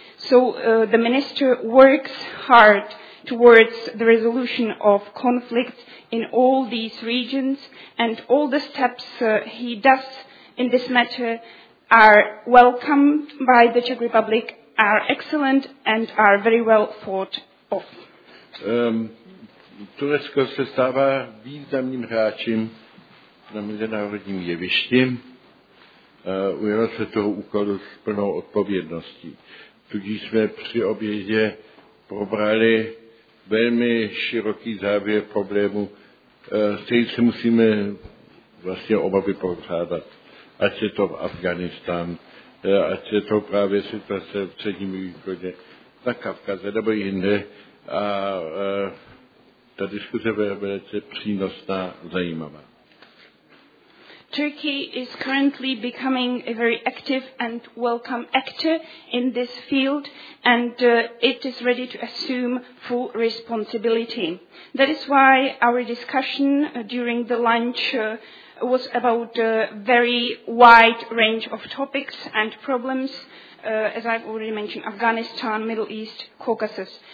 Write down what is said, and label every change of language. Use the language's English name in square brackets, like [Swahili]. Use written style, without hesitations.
[English] So the minister works hard towards the resolution of conflicts in all these regions, and all the steps he does in this matter are welcomed by the Czech Republic, are excellent, and are very well thought of. [Czech] Turecko se stává významným hráčem na mezinárodním jevišti, ujelo se toho úkolu s plnou odpovědností. Tudíž jsme při obědě probrali velmi široký závěr problému, s kterým se musíme vlastně oba vypořádat. Ať je to v Afghánistán, ať je to právě situace v Středním východě, na Kavkaze nebo jinde. A ta diskuze byla velice přínosná, zajímavá. [English] Turkey is currently becoming a very active and welcome actor in this field, and it is ready to assume full responsibility. That is why our discussion during the lunch was about a very wide range of topics and problems, as I've already mentioned, Afghanistan, Middle East, Caucasus.